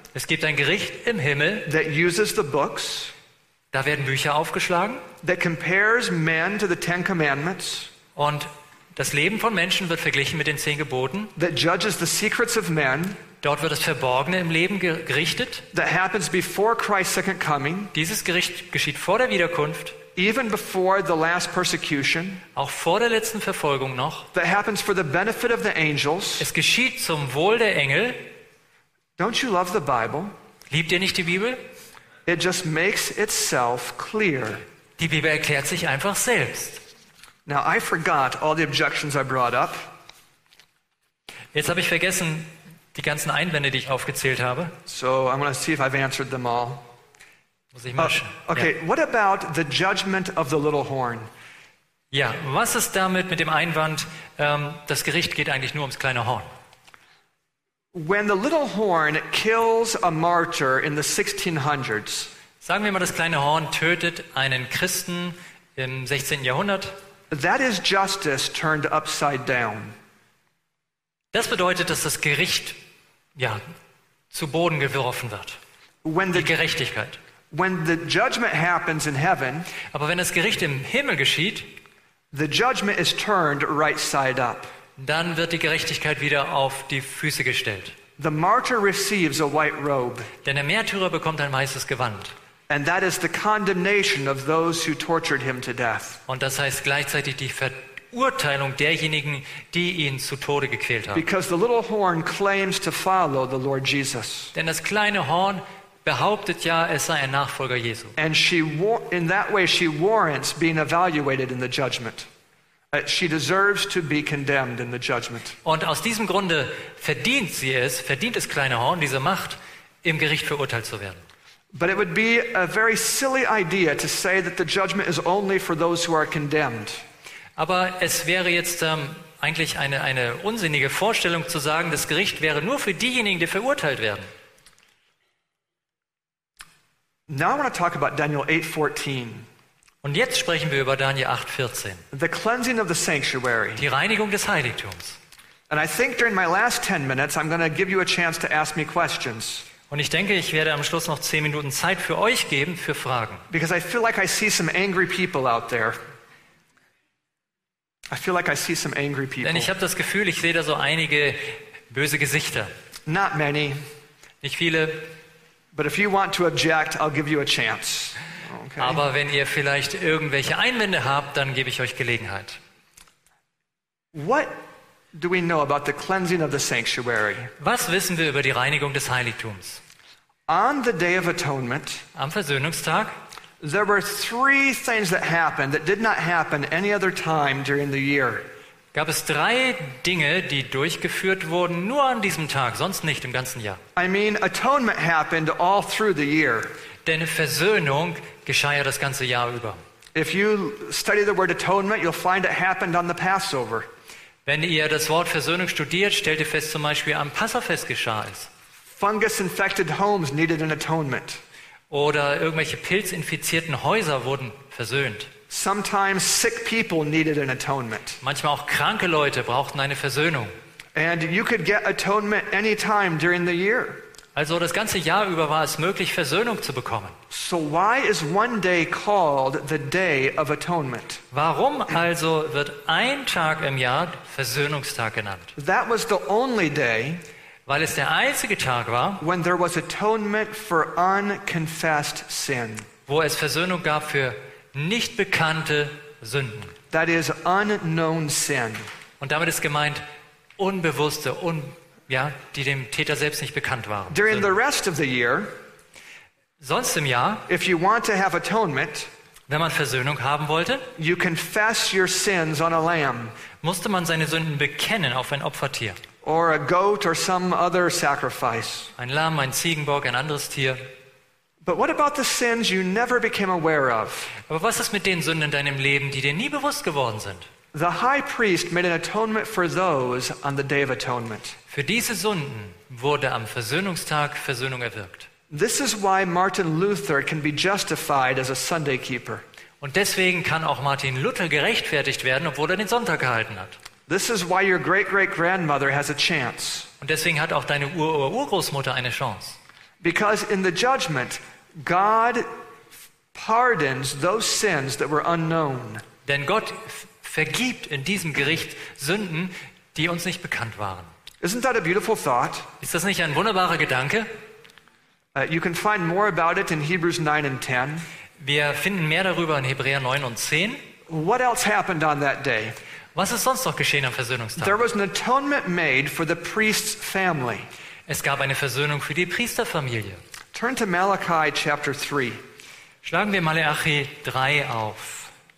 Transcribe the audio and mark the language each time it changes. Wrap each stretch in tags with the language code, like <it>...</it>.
<de>Es gibt ein Gericht im Himmel.</de> <en>That uses the books.</en> <de>Da werden Bücher aufgeschlagen.</de> <en>That compares man to the Ten Commandments.</en> <de>Und das Leben von Menschen wird verglichen mit den Zehn Geboten.</de> <en>That judges the secrets of men.</en> <de>Dort wird das Verborgene im Leben gerichtet.</de> <en>That happens before Christ's second coming.</en> <de>Dieses Gericht geschieht vor der Wiederkunft.</de> <en>Even before the last persecution.</en> <de>Auch vor der letzten Verfolgung noch.</de> <en>That happens for the benefit of the angels.</en> <de>Es geschieht zum Wohl der Engel.</de> <en>Don't you love the Bible?</en> <de>Liebt ihr nicht die Bibel?</de> <en>It just makes itself clear.</en> <de>Die Bibel erklärt sich einfach selbst.</de> <en>Now I forgot all the objections I brought up.</en> <de>Jetzt habe ich vergessen die ganzen Einwände, die ich aufgezählt habe.</de> <en>So I'm going to see if I've answered them all.</en> <de>Muss ich mal schauen. Okay, ja.</de> <en>What about the judgment of the little horn?</en> <de>Ja, was ist damit mit dem Einwand, das Gericht geht eigentlich nur ums kleine Horn?</de> <en>When the little horn kills a martyr in the 1600s.</en> <de>Sagen wir mal, das kleine Horn tötet einen Christen im 16. Jahrhundert.</de> <en>That is justice turned upside down.</en> <de>Das bedeutet, dass das Gericht ja zu Boden geworfen wird. Die Gerechtigkeit.</de> <en>When the judgment happens in heaven,</en> <de>aber wenn das Gericht im Himmel geschieht,</de> <en>the judgment is turned right side up.</en> <de>Dann wird die Gerechtigkeit wieder auf die Füße gestellt.</de> <en>The martyr receives a white robe.</en> <de>Denn der Märtyrer bekommt ein weißes Gewand.</de> <en>And that is the condemnation of those who tortured him to death.</en> <de>Und das heißt gleichzeitig die Verurteilung derjenigen, die ihn zu Tode gequält haben.</de> <en>Because the little horn claims to follow the Lord Jesus.</en> <de>Denn das kleine Horn behauptet ja, es sei ein Nachfolger Jesu.</de> <en>And she in that way she warrants being evaluated in the judgment. She deserves to be condemned in the judgment.</en> <de>Und aus diesem Grunde verdient es kleine Horn diese Macht, im Gericht verurteilt zu werden.</de> <en>But it would be a very silly idea to say that the judgment is only for those who are condemned.</en> <de>Aber es wäre jetzt eigentlich eine unsinnige Vorstellung zu sagen, das Gericht wäre nur für diejenigen, die verurteilt werden.</de> <en>Now I want to talk about Daniel 8:14.</en> <de>Und jetzt sprechen wir über Daniel 8:14.</de> <en>The cleansing of the sanctuary.</en> <de>Die Reinigung des Heiligtums.</de> <en>And I think during my last 10 minutes I'm going to give you a chance to ask me questions.</en> <de>Und ich denke, ich werde am Schluss noch 10 Minuten Zeit für euch geben für Fragen.</de> <en>Because I feel like I see some angry people out there. I feel like I see some angry people.</en> <de>Denn ich habe das Gefühl, ich sehe da so einige böse Gesichter.</de> <en>Not many.</en> <de>Nicht viele.</de> <en>But if you want to object, I'll give you a chance. Okay.</en> <de>Aber wenn ihr vielleicht irgendwelche Einwände habt, dann gebe ich euch Gelegenheit.</de> <en>What do we know about the cleansing of the sanctuary?</en> <de>Was wissen wir über die Reinigung des Heiligtums?</de> <en>On the Day of Atonement,</en> <de>am Versöhnungstag,</de> <en>there were three things that happened that did not happen any other time during the year.</en> <de>Gab es drei Dinge, die durchgeführt wurden nur an diesem Tag, sonst nicht im ganzen Jahr.</de> <en>I mean, atonement happened all through the year.</en> <de>Denn Versöhnung geschah ja das ganze Jahr über.</de> <en>If you study the word atonement, you'll find it happened on the Passover.</en> <de>Wenn ihr das Wort Versöhnung studiert, stellt ihr fest, zum Beispiel am Passafest geschah es.</de> <en>Fungus-infected homes needed an atonement.</en> <de>Oder irgendwelche pilzinfizierten Häuser wurden versöhnt.</de> <en>Sometimes sick people needed an atonement.</en> <de>Manchmal auch kranke Leute brauchten eine Versöhnung.</de> <en>And you could get atonement any time during the year.</en> <de>Also das ganze Jahr über war es möglich, Versöhnung zu bekommen.</de> <en>So why is one day called the Day of Atonement?</en> <de>Warum also wird ein Tag im Jahr Versöhnungstag genannt?</de> <en>That was the only day,</en> <de>weil es der einzige Tag war,</de> <en>when there was atonement for unconfessed sin.</en> <de>Wo es Versöhnung gab für nicht bekannte Sünden.</de> <en>That is unknown sin.</en> <de>Und damit ist gemeint unbewusste, die dem Täter selbst nicht bekannt waren.</de> <en>During the rest of the year,</en> <de>sonst im Jahr,</de> <en>if you want to have atonement,</en> <de>wenn man Versöhnung haben wollte,</de> <en>you confess your sins on a lamb,</en> <de>musste man seine Sünden bekennen auf ein Opfertier.</de> <en>Or a goat or some other sacrifice.</en> <de>Ein Lamm, ein Ziegenbock, ein anderes Tier.</de> <en>But what about the sins you never became aware of?</en> <de>Aber was ist mit den Sünden in deinem Leben, die dir nie bewusst geworden sind?</de> <en>The high priest made an atonement for those on the Day of Atonement.</en> <de>Für diese Sünden wurde am Versöhnungstag Versöhnung erwirkt.</de> <en>This is why Martin Luther can be justified as a Sunday keeper.</en> <de>Und deswegen kann auch Martin Luther gerechtfertigt werden, obwohl er den Sonntag gehalten hat.</de> <en>This is why your great-great-grandmother has a chance.</en> <de>Und deswegen hat auch deine Urgroßmutter eine Chance.</de> <en>Because in the judgment, God pardons those sins that were unknown.</en> <de>Denn Gott vergibt in diesem Gericht Sünden, die uns nicht bekannt waren.</de> <en>Isn't that a beautiful thought?</en> <de>Ist das nicht ein wunderbarer Gedanke?</de> <en>You can find more about it in Hebrews 9 and 10.</en> <de>Wir finden mehr darüber in Hebräer 9 und 10.</de> <en>What else happened on that day?</en> <de>Was ist sonst noch geschehen am Versöhnungstag?</de> <en>There was an atonement made for the priest's family.</en> <de>Es gab eine Versöhnung für die Priesterfamilie.</de> <en>Turn to Malachi chapter 3.</en> <de>Schlagen wir Malachi 3 auf.</de>